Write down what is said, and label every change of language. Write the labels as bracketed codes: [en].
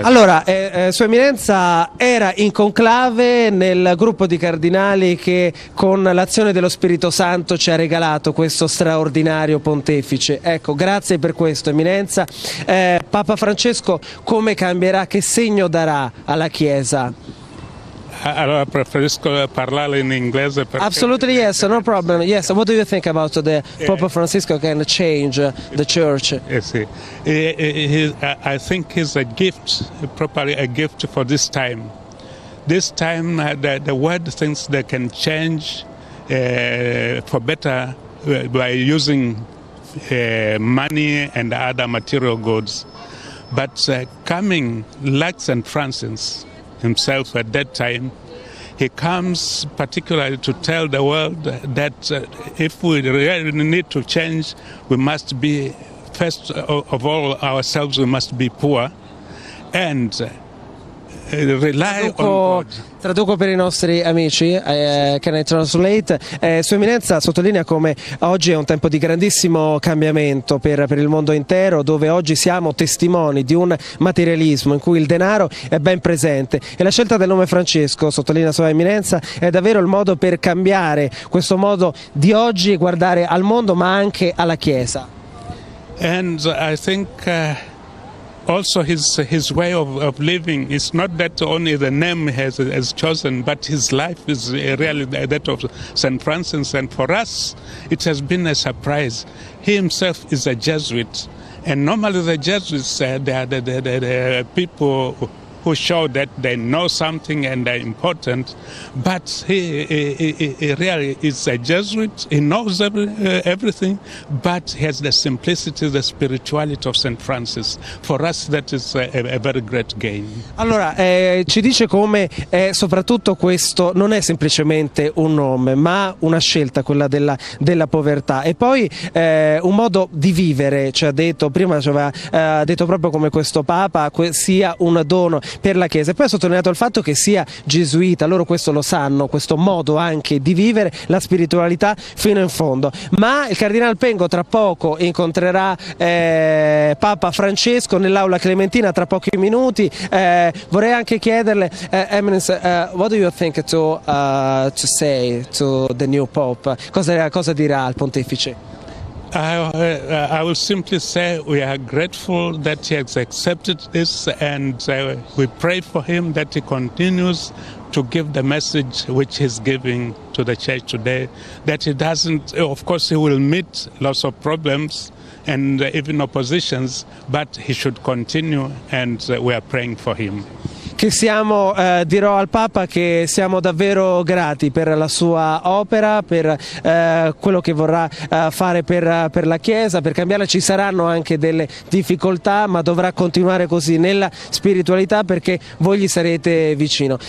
[it] Allora, Sua Eminenza era in conclave nel gruppo di cardinali che con l'azione dello Spirito Santo ci ha regalato questo straordinario pontefice. Ecco, grazie per questo, Eminenza. Papa Francesco, come cambierà, che segno darà alla Chiesa? Allora, preferisco parlare in inglese. Perché... [en] Absolutely yes, no problem. Yes, what do you think about the Pope Francisco can change the church? Yes, I think he's a gift, properly a gift for this time. This time the world thinks they can change for better by using money and other material goods. But coming like St. Francis himself at that time, he comes particularly to tell the world that if we really need to change, we must be, first of all ourselves, we must be poor and rely on God. [it] Traduco per i nostri amici, [en] can I translate? [it] Sua Eminenza sottolinea come oggi è un tempo di grandissimo cambiamento per il mondo intero, dove oggi siamo testimoni di un materialismo in cui il denaro è ben presente. E la scelta del nome Francesco, sottolinea Sua Eminenza, è davvero il modo per cambiare questo modo di oggi e guardare al mondo, ma anche alla Chiesa. [en] And I think... Also, his way of living is not that only the name has chosen, but his life is really that of St. Francis. And for us, it has been a surprise. He himself is a Jesuit. And normally the Jesuits, they are the people who show that they know something and they're important. But he really is a Jesuit. He knows everything, but he has the simplicity, the spirituality of St. Francis. For us that is a very great gain. [it] Allora, ci dice come soprattutto questo non è semplicemente un nome, ma una scelta, quella della povertà. E poi un modo di vivere, ci ha detto, prima ci aveva detto proprio come questo Papa sia un dono per la Chiesa, e poi ha sottolineato il fatto che sia gesuita, loro questo lo sanno, questo modo anche di vivere la spiritualità fino in fondo. Ma il Cardinal Pengo tra poco incontrerà Papa Francesco nell'Aula Clementina tra pochi minuti. Vorrei anche chiederle, [en] Eminence, what do you think to say to the new Pope? [it] Cosa dirà al Pontefice? [en] I will simply say we are grateful that he has accepted this, and we pray for him that he continues to give the message which he's giving to the church today, that he doesn't, of course he will meet lots of problems and even oppositions, but he should continue, and we are praying for him. [it] Che siamo, dirò al Papa che siamo davvero grati per la sua opera, per quello che vorrà fare per la Chiesa, per cambiarla. Ci saranno anche delle difficoltà, ma dovrà continuare così nella spiritualità perché voi gli sarete vicino.